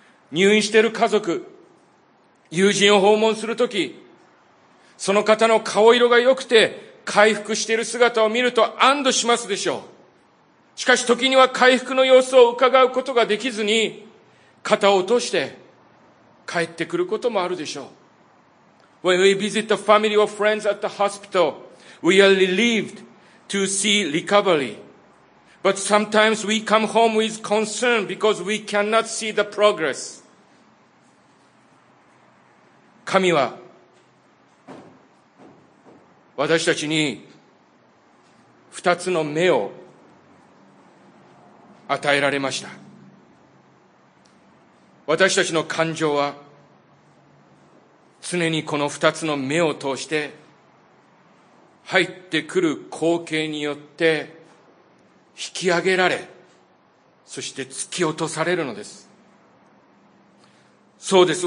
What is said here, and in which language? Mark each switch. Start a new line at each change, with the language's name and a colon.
Japanese: 入院している家族、友人を訪問するとき、その方の顔色が良くて回復している姿を見ると安堵しますでしょう。しかし時には回復の様子を伺うことができずに肩を落として帰ってくることもあるでしょう。
English: When we visit the family or friends at the hospital, we are relieved to see recovery. But sometimes we come home with concern because we cannot see the progress.
Japanese: 神は私たちに二つの目を与えられました。私たちの感情は常にこの二つの目を通して入ってくる光景によって引き上げられ、そして突き落とされるのです。そうです。